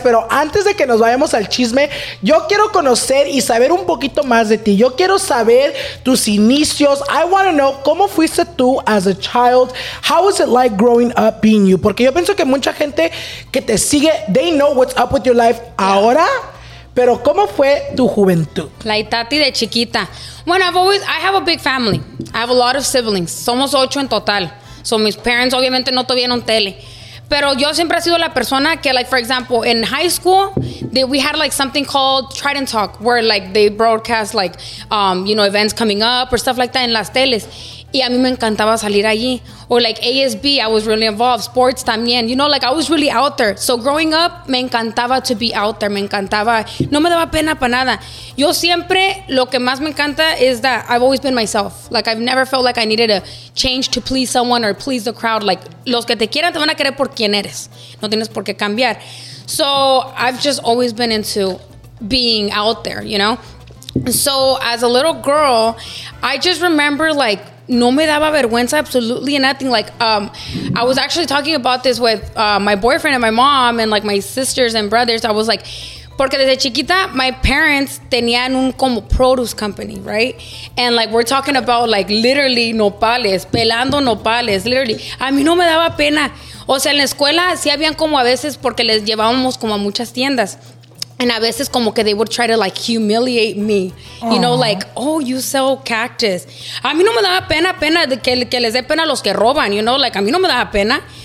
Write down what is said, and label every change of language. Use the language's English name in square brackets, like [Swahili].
[Spanish] Pero antes de que nos vayamos al chisme, yo quiero conocer y saber un poquito más de ti. Yo quiero saber tus inicios. [English] I want to know, [Spanish] ¿cómo fuiste tú [English] as a child? How was it like growing up being you? [Spanish] Porque yo pienso que mucha gente que te sigue, [English] they know what's up with your life [Spanish] ahora, pero ¿cómo fue tu juventud? La Itati de chiquita. Bueno, [English] I have a big family. I have a lot of siblings. [Spanish] Somos 8 en total. [English] So [Spanish] mis parents obviamente no tuvieron tele. Pero yo siempre he sido la persona que, [English] like, for example, in high school, we had, like, something called Trident Talk, where, like, they broadcast, like, you know, events coming up or stuff like that [Spanish] en las teles. Y a mí me encantaba salir allí. [English] Or, like, ASB, I was really involved. [Spanish] Sports también. [English] You know, like, I was really out there. So, growing up, [Spanish] me encantaba [English] to be out there. [Spanish] Me encantaba. No me daba pena para nada. Yo siempre, lo que más me encanta [English] is that I've always been myself. Like, I've never felt like I needed to change to please someone or please the crowd. Like, [Spanish] los que te quieran te van a querer por quien eres. No tienes por qué cambiar. [English] So, I've just always been into being out there, you know? So, as a little girl, I just remember, like, [Spanish] no me daba vergüenza [English] absolutely nothing. Like, I was actually talking about this with my boyfriend and my mom and, like, my sisters and brothers. I was like, [Spanish] porque desde chiquita, [English] my parents [Spanish] tenían un como [English] produce company, right? And, like, we're talking about, like, literally nopales, [Spanish] pelando nopales, [English] literally. [Spanish] A mí no me daba pena. O sea, en la escuela sí habían como a veces porque les llevábamos como a muchas tiendas. And a veces como que [English] they would try to like humiliate me. Aww. You know, like, oh, you sell cactus. [Spanish] A mí no me daba pena de que les dé pena a los que roban, [English] you know, like [Spanish] a mí no me daba pena.